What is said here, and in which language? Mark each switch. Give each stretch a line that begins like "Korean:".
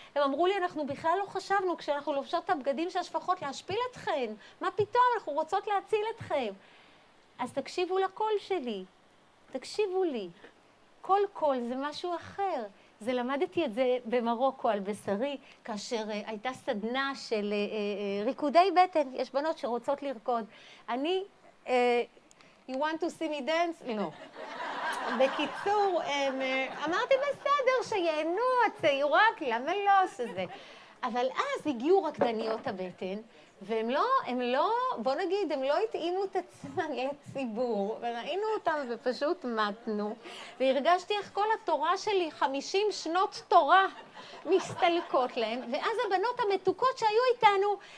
Hebrew: הם אמרו לי, אנחנו בכלל לא חשבנו כשאנחנו לובשות את הבגדים של השפחות להשפיל אתכן, מה פתאום, אנחנו רוצות להציל אתכם. אז תקשיבו לקול שלי, תקשיבו לי, כל קול זה משהו אחר. זה למדתי את זה במרוקו על בשרי, כאשר הייתה סדנה של ריקודי בטן. יש בנות שרוצות לרקוד.
English: אני, you want to see me dance?
Hebrew: לא. בקיצור, אמרתי בסדר, שיהנו הצעירות, למה לא עושה זה? אבל אז הגיעו רקדניות הבטן, והם לא, הם לא, בוא נגיד, הם לא התאימו את עצמם לציבור, וראינו אותם ופשוט מתנו, והרגשתי איך כל התורה שלי, 50 שנות תורה, מסתלקות להם, ואז הבנות המתוקות שהיו איתנו,